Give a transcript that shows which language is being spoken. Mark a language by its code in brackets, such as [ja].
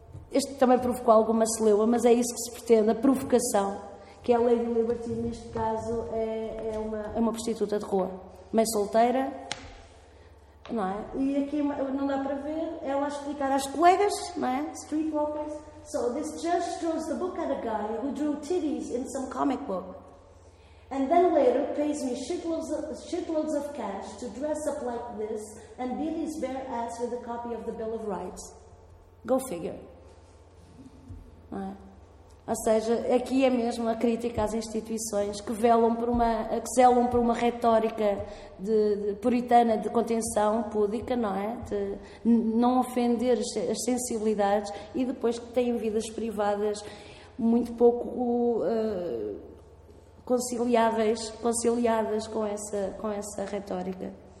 [pt] Este também provocou alguma celeuma, mas é isso que se pretende, a provocação, que é a Lady Liberty, neste caso, é uma prostituta de rua, mãe solteira, não é? E aqui não dá para ver, ela a explicar às colegas, não é? [en] Streetwalkers. So this judge throws the book at a guy who drew titties in some comic book. And then later pays me shitloads of cash to dress up like this and beat his bare ass with a copy of the Bill of Rights. Go figure. [pt] Não é? Ou seja, aqui é mesmo a crítica às instituições que velam por uma, que zelam por uma retórica de puritana de contenção púdica, não é? De não ofender as sensibilidades e depois que têm vidas privadas muito pouco conciliadas com essa retórica.